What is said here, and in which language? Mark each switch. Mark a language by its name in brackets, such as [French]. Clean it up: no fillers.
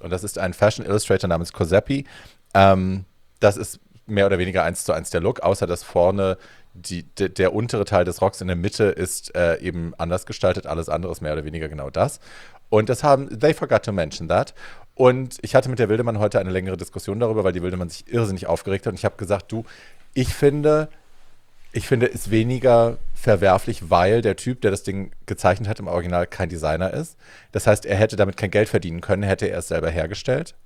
[German] Und das ist ein Fashion Illustrator namens Cosepi. Das ist mehr oder weniger eins zu eins der Look, außer dass vorne der untere Teil des Rocks in der Mitte ist eben anders gestaltet. Alles andere ist mehr oder weniger genau das. Und das haben, [English] they forgot to mention that. [German] Und ich hatte mit der Wildemann heute eine längere Diskussion darüber, weil die Wildemann sich irrsinnig aufgeregt hat. Und ich habe gesagt, ich finde es weniger verwerflich, weil der Typ, der das Ding gezeichnet hat im Original, kein Designer ist. Das heißt, er hätte damit kein Geld verdienen können, hätte er es selber hergestellt.